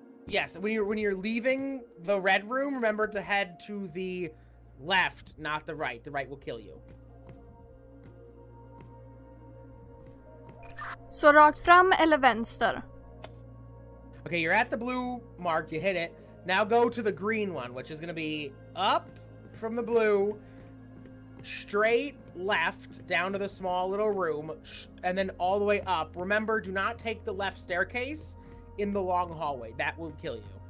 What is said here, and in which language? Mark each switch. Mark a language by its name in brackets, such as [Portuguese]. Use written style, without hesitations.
[English] Yes, when you're leaving the red room, remember to head to the left, not the right. The right will kill you. [Swedish] Så rakt fram eller vänster? [English] Okay, you're at the blue mark, you hit it. Now go to the green one, which is going to be up from the blue, straight, left down to the small little room and then all the way up. Remember, do not take the left staircase in the long hallway. That will kill you.